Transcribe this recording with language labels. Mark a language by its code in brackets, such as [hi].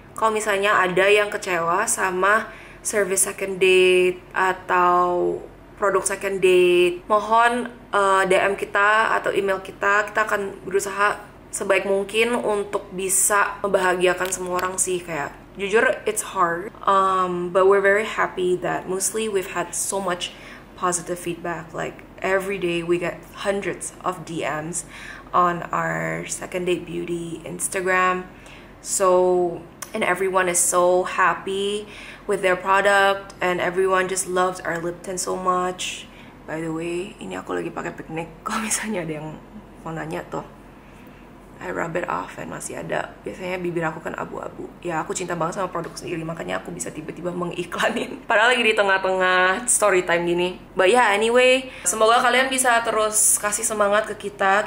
[id] Kalau misalnya ada yang kecewa sama service Second Date atau produk Second Date, mohon DM kita atau email kita. Kita akan berusaha sebaik mungkin untuk bisa membahagiakan semua orang sih. [en] Kayak jujur, it's hard, but we're very happy that mostly we've had so much positive feedback. Like every day we get hundreds of DMs on our Second Date Beauty Instagram. So, and everyone is so happy with their product, and everyone just loves our lip tint so much. [id] By the way, ini aku lagi pakai piknik. Kalau misalnya ada yang mau nanya tuh, I rub it off and masih ada. Biasanya bibir aku kan abu-abu. Ya, aku cinta banget sama produk sendiri, makanya aku bisa tiba-tiba mengiklanin. Padahal lagi di tengah-tengah story time gini. But yeah, anyway, semoga kalian bisa terus kasih semangat ke kita.